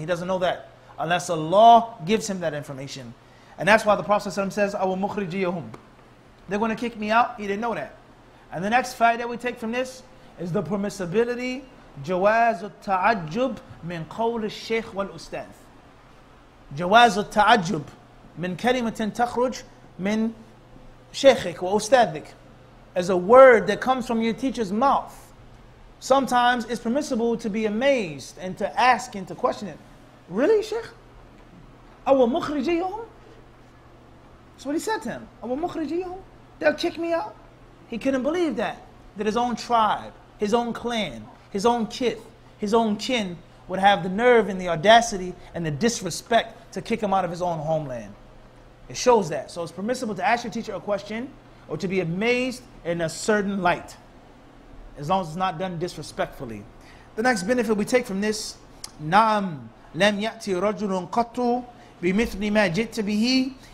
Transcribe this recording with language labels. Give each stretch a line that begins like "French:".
English: He doesn't know that unless Allah gives him that information. And that's why the Prophet says,
Arabic: أَوَمُخْرِجِيهُمْ.
English: They're going to kick me out. He didn't know that. And the next fact that we take from this is the permissibility,
Arabic: جواز التعجب من قول الشيخ والأستاذ. جواز التعجب من كلمة تخرج من شيخك وأستاذك.
English: As a word that comes from your teacher's mouth. Sometimes it's permissible to be amazed and to ask and to question it. Really, Sheikh?
Arabic: أو مخرجيهم?
English: That's what he said to him.
Arabic: أو مخرجيهم?
English: They'll kick me out? He couldn't believe that his own tribe, his own clan, his own kith, his own kin would have the nerve and the audacity and the disrespect to kick him out of his own homeland. It shows that. So it's permissible to ask your teacher a question or to be amazed in a certain light, as long as it's not done disrespectfully. The next benefit we take from this,
Arabic: نعم لم يأتي رجل قط بمثل ما جئت به